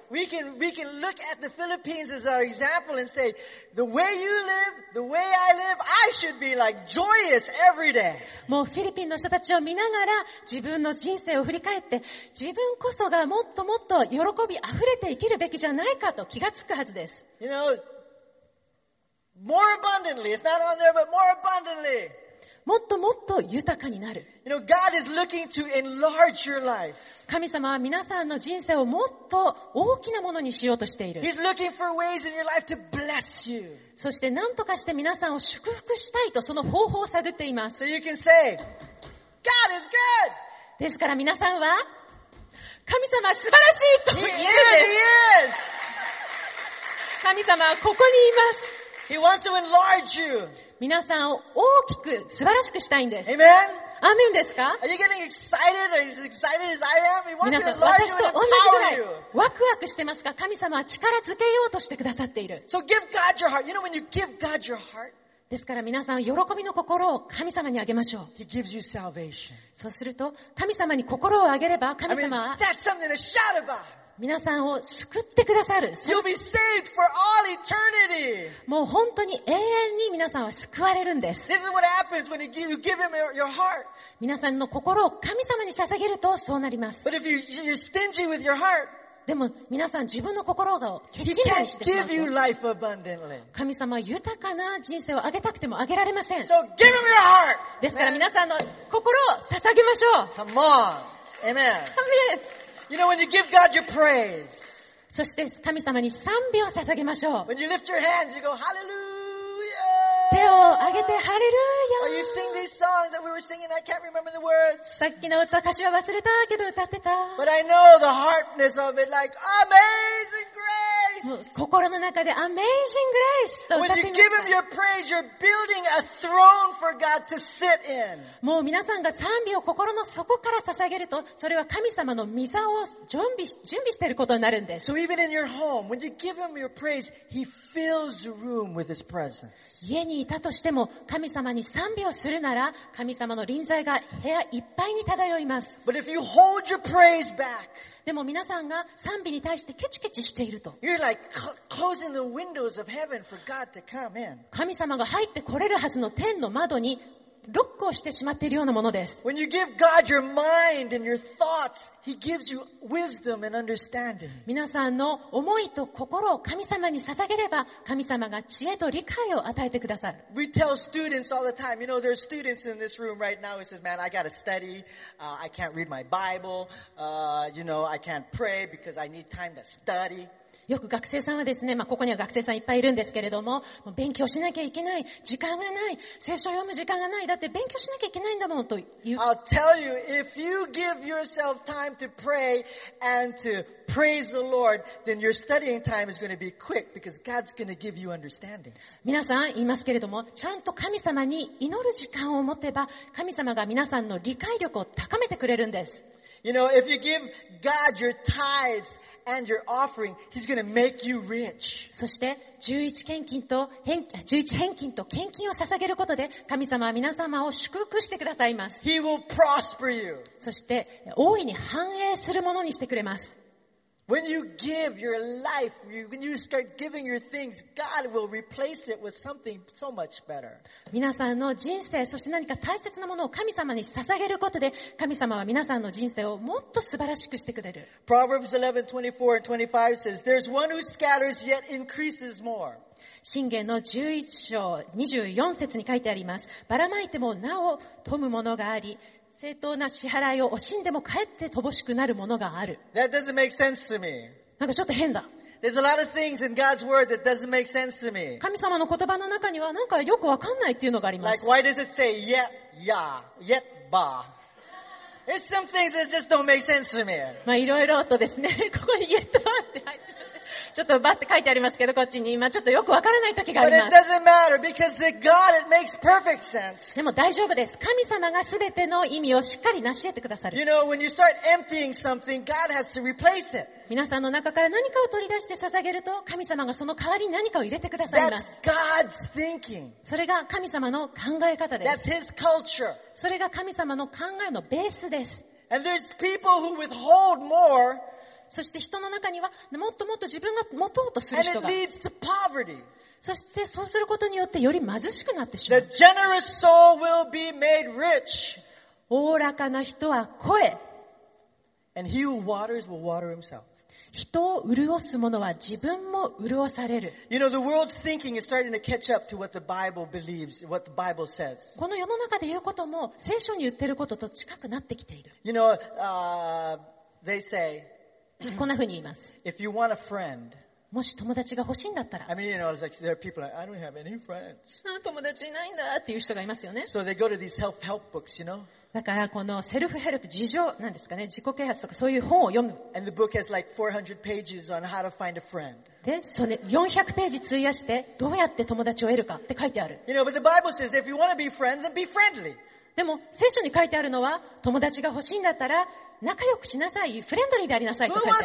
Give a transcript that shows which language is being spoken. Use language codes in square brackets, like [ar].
[en] we can look at the Philippines as our example and say, the way you live, the way I live, I should be like joyous every day. [ja] もうフィリピンの人たちを見ながら自分の人生を振り返って、自分こそがもっともっと喜びあふれて生きるべきじゃないかと気がつくはずです。 [en] You know, more abundantly. It's not on there, but more abundantly. [ja] もっともっと豊かになる。 [en] You know, God is looking to enlarge your life. [ja] 神様は皆さんの人生をもっと大きなものにしようとしている。 [en] He's looking for ways in your life to bless you. [ja] そして何とかして皆さんを祝福したいとその方法を探っています。 [en] So you can say, God is good! [ja] ですから皆さんは、神様は素晴らしいと言っている。 [en] He is! [ja] 神様はここにいます。 [en] He wants to enlarge you. [ja] 皆さんを大きく素晴らしくしたいんです。 [en] Amen? [ja] アーメンですか? [en] Are you getting excited or as excited as I am? He wants to enlarge [ja] 皆さん、私と同じぐらいワクワクしてますか? 神様は力づけようとしてくださっている。 [en] So give God your heart. You know when you give God your heart? [ja] ですから皆さん、喜びの心を神様にあげましょう。 [en] He gives you salvation. [ja] そうすると、神様に心をあげれば、神様は、 [en] I mean, that's something to shout about. [ja] 皆さんを救ってくださる。 [en] You'll be saved for all eternity. [ja] もう本当に永遠に皆さんは救われるんです。 [en] This is what happens when you give him your heart. [ja] 皆さんの心を神様に捧げるとそうなります。 [en] But if you're stingy with your heart, [ja] でも皆さん自分の心をケチりしてしまう。 [en] He can't give you life abundantly. [ja] 神様は豊かな人生をあげたくてもあげられません。 [en] So give him your heart. [ja] ですから皆さんの心を捧げましょう。 [en] Come on. Amen. Amen. You know, when you give God your praise. [ja] そして神様に賛美を捧げましょう。 [en] When you lift your hands, you go, Hallelujah! [ja] 手を上げて、ハレルーヤ。 [en] Or you sing these songs that we were singing, I can't remember the words. [ja] さっきの歌詞は忘れたけど歌ってた。 [en] But I know the heartness of it, like, Amazing Grace! [ja] もう心の中で Amazing Grace! と歌ってみました。 [en] When you give him your praise, you're building a throne for God to sit in. [ja] もう皆さんが賛美を心の底から捧げると、それは神様の御座を準備していることになるんです。 [en] So even in your home, when you give him your praise, he fills the room with his presence. [ja] 家にいたとしても神様に賛美をするなら神様の臨在が部屋いっぱいに漂います。 [en] But if you hold your praise back, [ja] でも皆さんが賛美に対してケチケチしていると。 [en] You're like closing the windows of heaven for God to come in. [ja] 神様が入ってこれるはずの天の窓にロックをしてしまっているようなものです。 [en] When you give God your mind and your thoughts, He gives you wisdom and understanding. [ja] 皆さんの思いと心を神様に捧げれば、神様が知恵と理解を与えてくださる。 [en] We tell students all the time, you know, there's students in this room right now who says, man, I gotta study, I can't read my Bible, you know, I can't pray because I need time to study. [ja] よく学生さんはですね、まあ、ここには学生さんいっぱいいるんですけれども、もう勉強しなきゃいけない、時間がない、聖書を読む時間がない、だって勉強しなきゃいけないんだもんと言う。 [en] I'll tell you, if you give yourself time to pray and to praise the Lord, then your studying time is going to be quick because God's going to give you understanding. [ja] 皆さん言いますけれども、ちゃんと神様に祈る時間を持てば、神様が皆さんの理解力を高めてくれるんです。 [en] You know, if you give God your tithesAnd your offering, he's going to make you rich. [ja] そして十一献金と献金を捧げることで神様は皆様を祝福してくださいます。 [en] He will prosper you. [ja] そして大いに繁栄するものにしてくれます。 [en] When you give your life, when you start giving your things, God will replace it with something so much better. [ja] 皆さんの人生、そして何か大切なものを神様に捧げることで、神様は皆さんの人生をもっと素晴らしくしてくれる。 [en] Proverbs 11, 24 and 25 says, There's one who scatters yet increases more. [ja] 箴言の11章24節に書いてあります。ばらまいてもなお富むものがあり、正当な支払いを惜しんでもかえって乏しくなるものがある。 [en] That doesn't make sense to me. [ja] なんかちょっと変だ。 [en] There's a lot of things in God's word that doesn't make sense to me. [ja] 神様の言葉の中にはなんかよくわかんないっていうのがあります。 [en] Like why does it say yet ya yet ba? It's some things that just don't make sense to me. [ja] まあいろいろとですね、ここにyet ba って入ってます。ちょっとバッて書いてありますけど、こっちに今ちょっとよくわからない時があります。 [en] But it doesn't matter because the God it makes perfect sense. [ja] でも大丈夫です。神様がすべての意味をしっかり成し得てくださる。 [en] You know, when you start emptying something, God has to replace it. [ja] 皆さんの中から何かを取り出して捧げると、神様がその代わりに何かを入れてくださいます。 [en] That's God's thinking. [ja] それが神様の考え方です。 [en] That's His culture. [ja] それが神様の考えのベースです。 [en] And there's people who withhold more. [ja] そして人の中にはもっともっと自分が持とうとする人が、 [en] And it leads to poverty. [ja] そしてそうすることによってより貧しくなってしまう。 [en] The generous soul will be made rich. [ja] おおらかな人は肥え、 [en] And he who waters will water himself. [ja] 人を潤す者は自分も潤される。 [en] You know, the world's thinking is starting to catch up to what the Bible believes, what the Bible says. [ja] この世の中で言うことも聖書に言ってることと近くなってきている。 [en] You know, they say. [ja] こんな風に言います。 [en] If you want a friend, [ja] もし友達が欲しいんだったら、 [en] I mean, you know, like, there are people like, I don't have any friends. [ja] 友達いないんだっていう人がいますよね。 [en] So they go to these self-help books, you know? [ja] だからこのセルフヘルプ、自助なんですかね、自己啓発とかそういう本を読む。 [en] And the book has like 400 pages on how to find a friend. [ja] で、その400ページ費やしてどうやって友達を得るかって書いてある。 [en] You know, but the Bible says if you want to be friends, then be friendly. [ja] でも聖書に書いてあるのは、友達が欲しいんだったら。仲良くしなさい、フレンドリーでありなさいと書いてある。